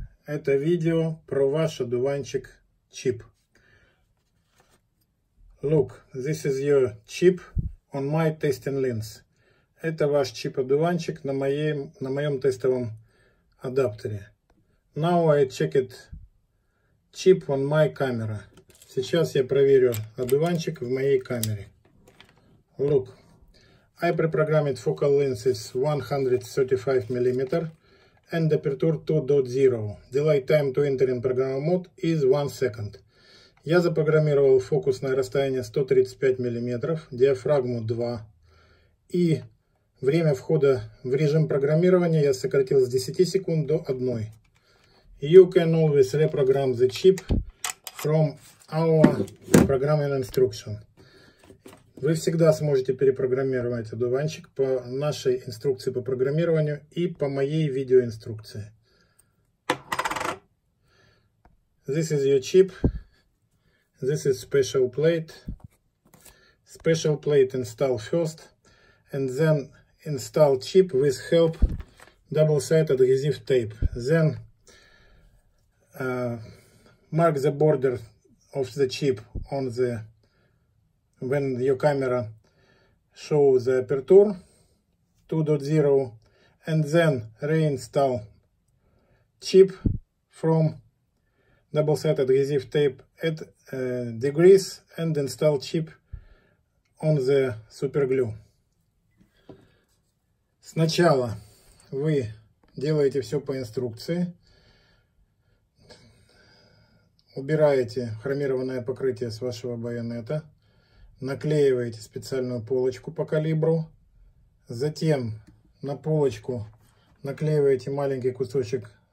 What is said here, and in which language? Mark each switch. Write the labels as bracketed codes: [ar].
[ru] Это видео про ваш одуванчик chip. [en] Look, this is your chip on my testing lens. [ru] Это ваш чип-одуванчик на моем тестовом адаптере. [en] Now I check it chip on my camera. [ru] Сейчас я проверю одуванчик в моей камере. [en] Look. I pre-programmed focal lenses 135 mm and aperture 2.0. Delay time to enter in program mode is 1 second. [ru] Я запрограммировал фокусное расстояние 135 мм, диафрагму 2. И время входа в режим программирования я сократил с 10 секунд до 1. [en] You can always reprogram the chip from our programming instruction. [ru] Вы всегда сможете перепрограммировать одуванчик по нашей инструкции по программированию и по моей видеоинструкции. [en] This is your chip. This is special plate. Special plate install first. And then install chip with help double-sided adhesive tape. Then mark the border of the chip on the when your camera show the aperture 2.0 and then reinstall chip from double-sided adhesive tape at degrees and install chip on the super glue. [ru] Сначала вы делаете все по инструкции, убираете хромированное покрытие с вашего байонета, наклеиваете специальную полочку по калибру, затем на полочку наклеиваете маленький кусочек